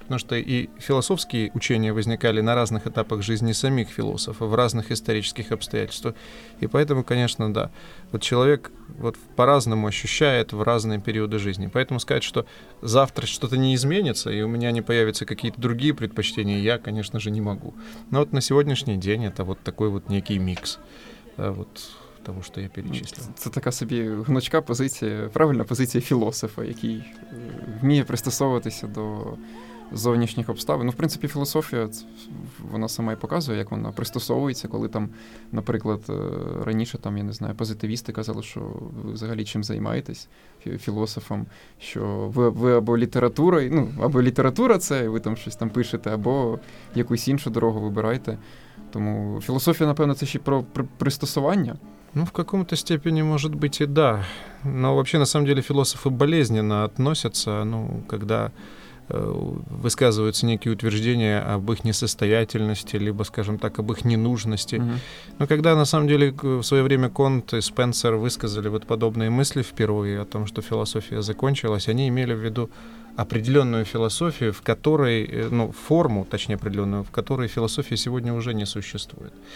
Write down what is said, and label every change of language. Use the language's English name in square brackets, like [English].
[Russian] Потому что и философские учения возникали на разных этапах жизни самих философов, в разных исторических обстоятельствах. И поэтому, конечно, да, вот человек вот по-разному ощущает в разные периоды жизни. Поэтому сказать, что завтра что-то не изменится, и у меня не появятся какие-то другие предпочтения, я, конечно же, не могу. Но вот на сегодняшний день это вот такой вот некий микс, да, вот того, что я перечислил. [Ukrainian] Це така собі гнучка позиція, правильна позиція філософа, який вміє пристосовуватися до зовнішніх обставин. Ну, в принципі, філософія, вона сама і показує, як вона пристосовується, коли там, наприклад, раніше, там, я не знаю, позитивісти казали, що ви взагалі чим займаєтесь філософом, що ви або літературою, ну, або література це, ви там щось там пишете, або якусь іншу дорогу вибираєте. Тому філософія, напевно, це ще про пристосування. [Russian] Ну, в каком-то степени, может быть, и да. Но вообще, на самом деле, философы болезненно относятся, ну, когда высказываются некие утверждения об их несостоятельности, либо, скажем так, об их ненужности. Uh-huh. Но когда, на самом деле, в свое время Конт и Спенсер высказали вот подобные мысли впервые о том, что философия закончилась, они имели в виду определенную философию, в которой, ну, форму, точнее, определенную, в которой философия сегодня уже не существует.